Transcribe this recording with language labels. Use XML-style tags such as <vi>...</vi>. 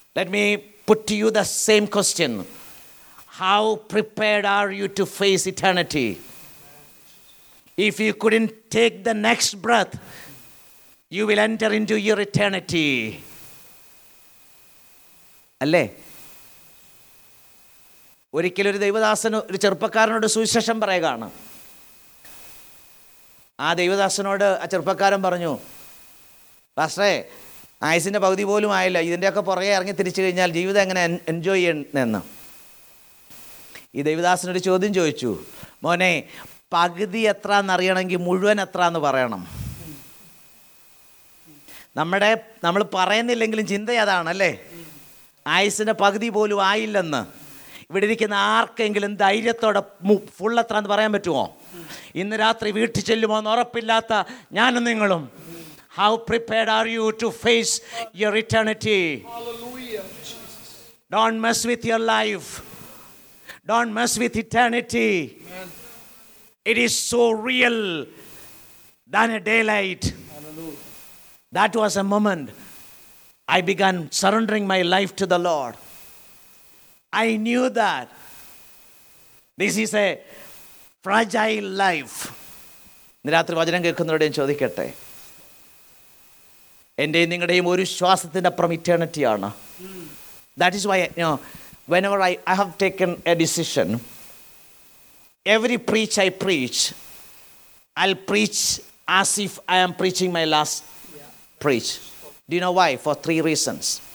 <en>Let me put to you the same question. How prepared are you to face eternity? If you couldn't take the next breath, you will enter into your eternity. Alle.</en> <ml>ഒരിക്കലും ഒരു ദൈവദാസൻ ഒരു ചെറുപ്പക്കാരനോട് സുവിശേഷം പറയുകയാണ്. ആ ദൈവദാസനോട് ആ ചെറുപ്പക്കാരൻ പറഞ്ഞു, പാസ്റ്ററേ, ആയുസിൻ്റെ പകുതി പോലും ആയില്ല, ഇതിൻ്റെയൊക്കെ പുറകെ ഇറങ്ങി തിരിച്ചു കഴിഞ്ഞാൽ ജീവിതം എങ്ങനെ എൻജോയ് ചെയ്യണമെന്ന്. ഈ ദൈവദാസനൊരു ചോദ്യം ചോദിച്ചു, മോനെ, പകുതി എത്ര എന്നറിയണമെങ്കിൽ മുഴുവൻ എത്ര എന്ന് പറയണം. നമ്മൾ പറയുന്നില്ലെങ്കിലും ചിന്ത അതാണല്ലേ, ആയുസിൻ്റെ പകുതി പോലും ആയില്ലെന്ന്. ഇവിടെ ഇരിക്കുന്ന ആർക്കെങ്കിലും ധൈര്യത്തോടെ ഫുൾ എത്ര എന്ന് പറയാൻ പറ്റുമോ? ഇന്ന് രാത്രി വീട്ടിൽ ചെല്ലുമോ എന്ന് ഉറപ്പില്ലാത്ത ഞാനും നിങ്ങളും.</ml> <en>How prepared are you to face your eternity? Hallelujah. Don't mess with your life. Don't mess with eternity. Amen. It is so real than a daylight. Hallelujah. That was a moment I began surrendering my life to the Lord. I knew that this is a fragile life.</en> <ml>നിരാത്രി വചനം കേൾക്കുന്നവരോട് ഞാൻ ചോദിക്കട്ടെ, എൻ്റെയും നിങ്ങളുടെയും ഒരു ശ്വാസത്തിൻ്റെ അപ്പുറം ഇറ്റേണിറ്റിയാണ്.</ml> <en>That is why you when I have taken a decision, every preach I preach, I preach as if I am preaching my last preach. Do know why? For three reasons.</en>